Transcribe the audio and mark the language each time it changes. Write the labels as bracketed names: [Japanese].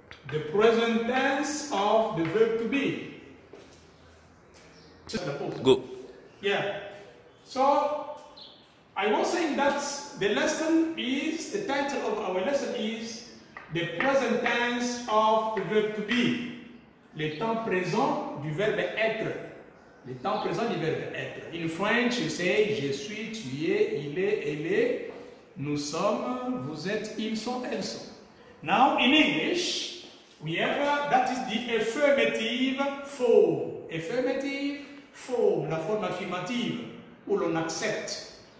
[English] The present tense of the verb to be. Good. Yeah. So, I was saying that the lesson is, the title of our lesson is the present tense of the verb to be. [French] Le temps présent du verbe être. Le temps présent du verbe être. [English] In French, you say [French] je suis, tu es, il est, elle est, nous sommes, vous êtes, ils sont, elles sont. [English] Now, in English, we have that is the affirmative form. Affirmative. [French] Form, la forme affirmative, où l'on accepte.